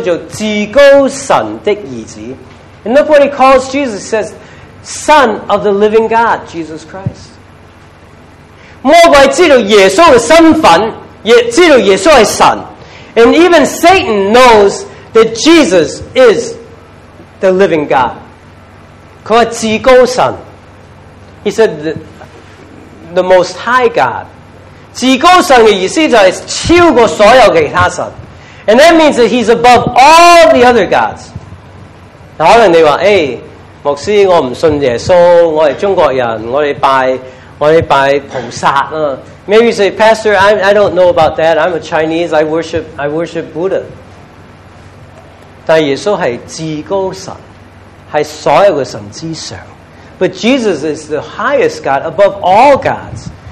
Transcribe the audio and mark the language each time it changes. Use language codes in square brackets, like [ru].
[yue] 他明白耶稣是什么，他说称呼耶稣叫至高神的儿子。 [en] And look what he calls Jesus. He says, Son of the living God, Jesus Christ. [yue] 魔鬼知道耶稣的身份，也知道耶稣是神。 [en] And even Satan knows that Jesus is the living God. [yue] 他说至高神。 [en] He said, the most high God. [yue] 至高神的意思就是超过所有其他神。 [en] And that means that he's above all the other gods. [yue] 可能你说，哎，牧师，我不信耶稣，我是中国人，我们拜菩萨。 [en] Maybe you say, Pastor, I don't know about that. I'm a Chinese. I worship Buddha. [yue] 但耶稣是至高神，是所有的神之上。 [en] But Jesus is the highest God above all gods.